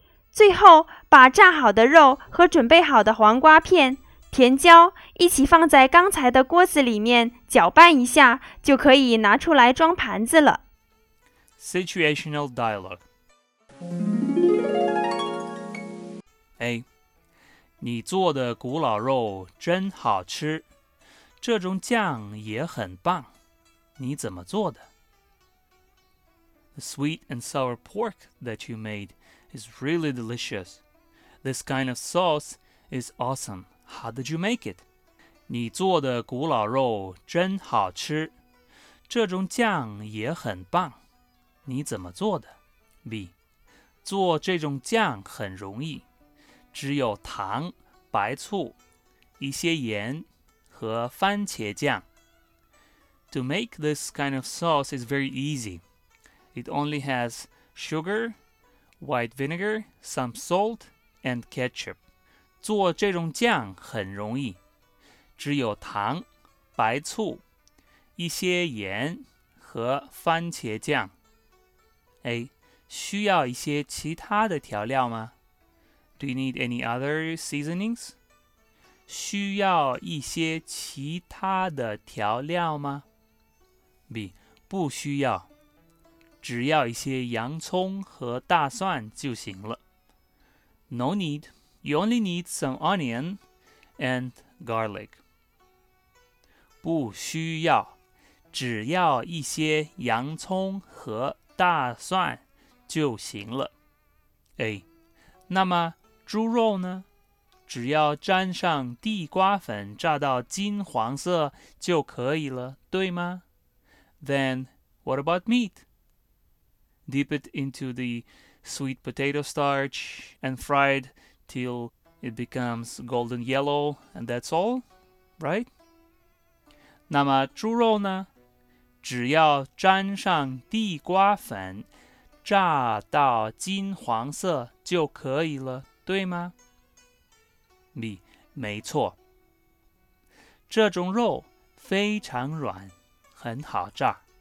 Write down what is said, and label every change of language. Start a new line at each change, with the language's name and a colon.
Chinese: 最后把炸好的肉和准备好的黄瓜片、甜椒一起放在刚才的锅子里面搅拌一下，就可以拿出来装盘子了。
English: Situational dialogue. A.
Chinese: 你做的古老肉真好吃，这种酱也很棒，你怎么做的？
English: The sweet and sour pork that you made is really delicious. This kind of sauce is awesome. How did you make it?
Chinese: 你做的古老肉真好吃，这种酱也很棒，你怎么做的？ B. 做这种酱很容易，只有糖、白醋、一些盐和番茄酱。
English: To make this kind of sauce is very easy. It only has sugar, white vinegar, some salt, and ketchup.
Chinese: 做这种酱很容易，只有糖、白醋、一些盐和番茄酱。 A. 需要一些其他的调料吗？
English: Do you need any other seasonings?
Chinese: 需要一些其他的调料吗？ B. 不需要，只要一些洋葱和大蒜就行了。
English: No need. You only need some onion and garlic.
Chinese: 不需要，只要一些洋葱和大蒜就行了。 A. 那么猪肉呢？只要沾上地瓜粉炸到金黄色就可以了，对吗？
English: Then, what about meat? Dip it into the sweet potato starch and fry it till it becomes golden yellow, and that's all, right?
Chinese: 那么猪肉呢？只要沾上地瓜粉，炸到金黄色就可以了，对吗？ B. 没错。这种肉非常软。很好炸。